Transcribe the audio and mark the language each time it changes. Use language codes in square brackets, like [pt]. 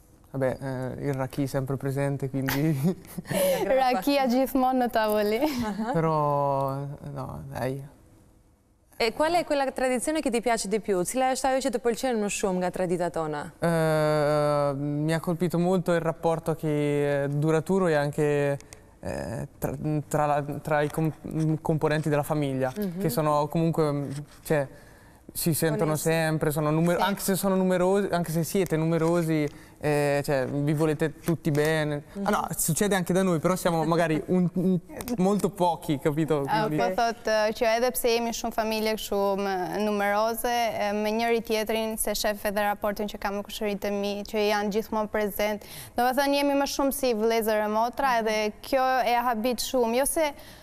[it] Vabbè, il raki è sempre presente, quindi... [sq] Raki a gjithmonë në tavoli. [it] Però... No, dai... E qual è quella tradizione che ti piace di più? [sq] Cila është ajo që të pëlqen më shumë nga tradita tona? [it] Mi ha colpito molto il rapporto che duraturo e anche tra i componenti della famiglia, che sono comunque, cioè, si sentono sempre, sono anche se sono numerosi, anche se siete numerosi, cioè, vi volete tutti bene. Ah, no, succede anche da noi, però siamo magari molto pochi, capito? [sq] Cioè, edhe pse jemi shumë familje shumë numerose, me njëri tjetrin, se shef edhe raportin që kam me kushërinë e mi, që janë gjithmonë prezent. Do të thënë, jemi më shumë si vëllezër e motra, edhe kjo e habit shumë, jo se...